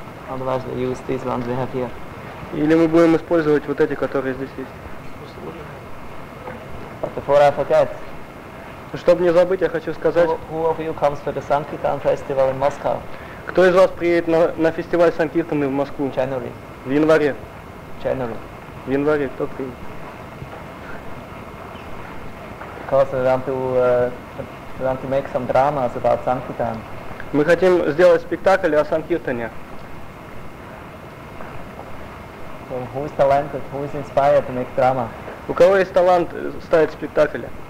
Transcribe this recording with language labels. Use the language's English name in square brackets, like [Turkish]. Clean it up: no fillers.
[English] Otherwise, we use these ones we have here. [Russian] Или мы будем использовать вот эти, которые здесь есть? [English] But before I forget, [Russian] чтобы не забыть, я хочу сказать, [English] who of you comes for the Sankirtan festival in Moscow? [Russian] Кто из вас приедет на фестиваль Санкиртаны в Москву? [English] January. [Russian] В январе. [English] January. [Russian] В январе, кто приедет? [English] Because we want to make some dramas about Sankirtan. [Russian] Мы хотим сделать спектакль о Санкиртане. [English] So who is talented? Who is inspired to make drama? [Russian] У кого есть талант ставить спектакли?